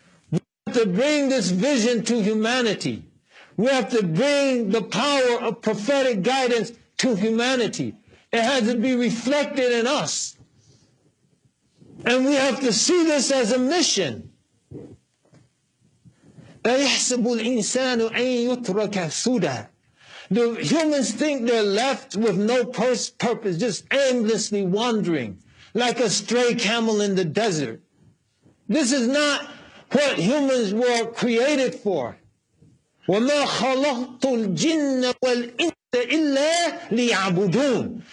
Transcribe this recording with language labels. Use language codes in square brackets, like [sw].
[en] We have to bring this vision to humanity. We have to bring the power of prophetic guidance to humanity. It has to be reflected in us. And we have to see this as a mission. [ar] أَيَحْسَبُ الْإِنسَانُ أَن يُتْرَكَ سُدًى. [en] The humans think they're left with no purpose, just aimlessly wandering like a stray camel in the desert. This is not what humans were created for. [ar] وَمَا خَلَقْتُ الْجِنَّ وَالْإِنْسَ إِلَّا لِيَعْبُدُونَ.